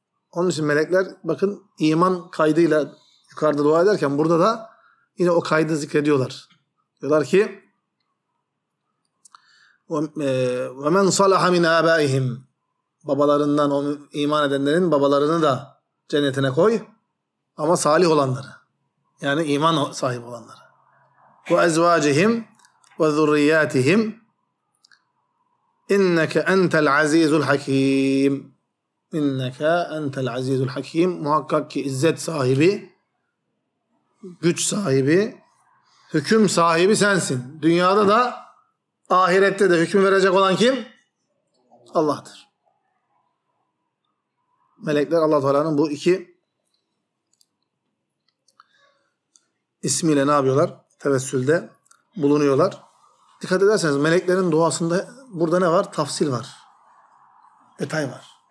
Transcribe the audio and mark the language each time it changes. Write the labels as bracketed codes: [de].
[tr] Onun için melekler bakın iman kaydıyla yukarıda dua ederken burada da yine o kaydı zikrediyorlar. Diyorlar ki [ar] وَمَنْ صَلَحَ مِنْ آبَائِهِمْ [tr] Babalarından, o iman edenlerin babalarını da cennetine koy ama salih olanları. Yani iman sahibi olanları. [ar] وَاَزْوَاجِهِمْ وَذُرِّيَّاتِهِمْ اِنَّكَ اَنْتَ الْعَز۪يزُ الْحَك۪يمِ اِنَّكَ اَنْتَ الْعَز۪يزُ الْحَك۪يمِ [tr] Muhakkak ki izzet sahibi, güç sahibi, hüküm sahibi sensin. Dünyada da, ahirette de hüküm verecek olan kim? Allah'tır. Melekler Allah-u Teala'nın bu iki ismiyle ne yapıyorlar? Tevessülde bulunuyorlar. Dikkat ederseniz meleklerin duasında burada ne var? Tafsil var. Detay var.